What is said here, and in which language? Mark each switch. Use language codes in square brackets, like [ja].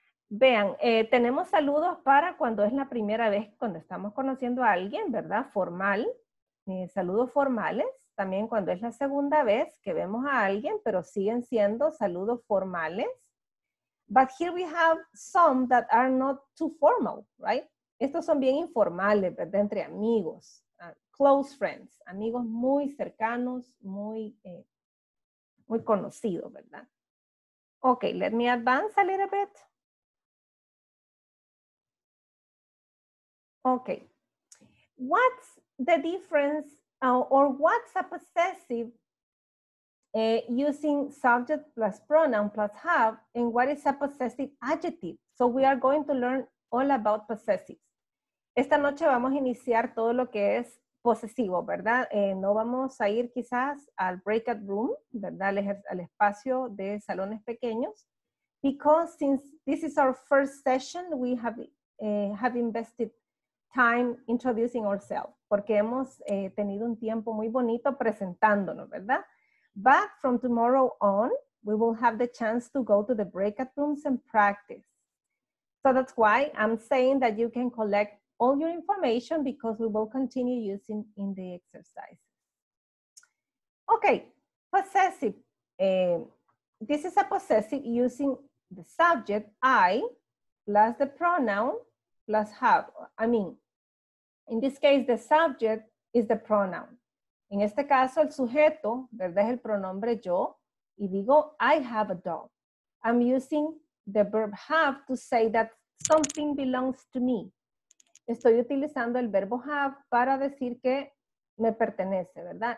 [es] Vean, tenemos saludos para cuando es la primera vez, cuando estamos conociendo a alguien, ¿verdad? Formal. Saludos formales. También cuando es la segunda vez que vemos a alguien, pero siguen siendo saludos formales. [en] But here we have some that are not too formal, right? [es] Estos son bien informales, ¿verdad? Entre amigos, [en] close friends, [es] amigos muy cercanos, muy, muy conocidos, ¿verdad? [en] Okay, let me advance a little bit. Okay, what's the difference or what's a possessive using subject plus pronoun plus have and what is a possessive adjective? So we are going to learn all about possessives. [es] Esta noche vamos a iniciar todo lo que es posesivo, ¿verdad? No vamos a ir quizás al breakout room, ¿verdad? Al espacio de salones pequeños. [en] Because since this is our first session, we have invested time introducing ourselves, [es] porque hemos tenido un tiempo muy bonito presentándonos, ¿verdad? [en] But from tomorrow on, we will have the chance to go to the breakout rooms and practice. So that's why I'm saying that you can collect all your information because we will continue using in the exercise. Okay, possessive. This is a possessive using the subject, I, plus the pronoun, plus have. I mean, in this case, the subject is the pronoun. [es] En este caso, el sujeto, ¿verdad? Es el pronombre yo. Y digo, [en] I have a dog. I'm using the verb have to say that something belongs to me. [es] Estoy utilizando el verbo have para decir que me pertenece, ¿verdad?